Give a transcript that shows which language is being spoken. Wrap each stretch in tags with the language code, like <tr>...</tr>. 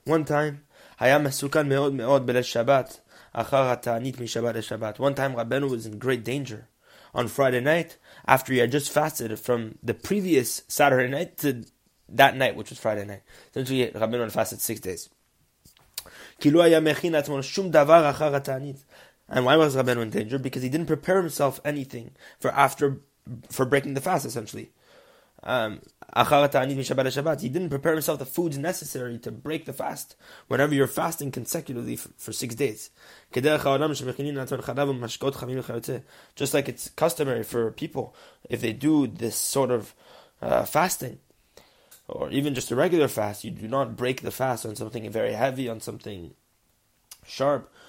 <en>One time,</en> <he>היה מסוכן מאוד מאוד בליל שבת, אחר התענית משבת לשבת.</he> <en>One time, Rabbeinu was in great danger. On Friday night, after he had just fasted from the previous Saturday night to that night, which was Friday night. Essentially, Rabbeinu had fasted 6 days.</en> <he>כי לא היה מכין עצמו שום דבר אחר התענית.</he> <en>And why was Rabbeinu in danger? Because he didn't prepare himself anything for breaking the fast, essentially. He didn't prepare himself the foods necessary to break the fast whenever you're fasting consecutively for 6 days. Just like it's customary for people, if they do this sort of fasting, or even just a regular fast, you do not break the fast on something very heavy, on something sharp.</en>